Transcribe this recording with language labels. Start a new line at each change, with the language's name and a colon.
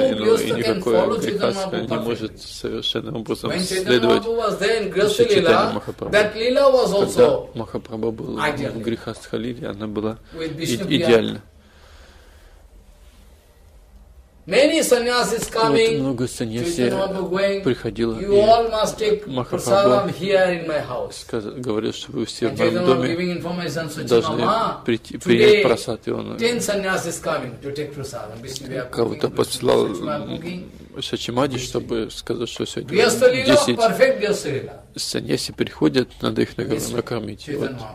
Russian: И никакой грихастха не может совершенным образом следовать
English: Чайтанья Махапрабху. That lila was also.
Russian: Когда Махапрабху был в грихастха лиле, она была идеальна.
English: Many sannyasis coming.
Russian: Много саньяси приходило.
English: You all must take prasadam here in my house.
Russian: Говорил, что вы все в моем доме должны принять прасад.
English: Today 10 sannyasis coming to take prasadam.
Russian: Кого-то послал Сачимади, чтобы сказать, что сегодня 10 саньяси приходят, надо их накормить. Вот.